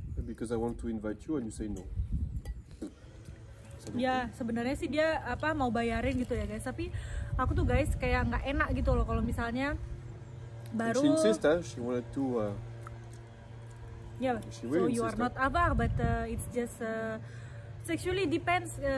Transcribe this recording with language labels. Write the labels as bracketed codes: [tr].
[en] Because I want to invite you, and you say no. [id] Yeah, sebenarnya sih dia apa mau bayarin gitu ya guys. Tapi aku tuh guys kayak nggak enak gitu loh kalau misalnya baru. [en] And she insisted. She wanted to. Yeah. She really so you are not abang, but it's just. Actually depends.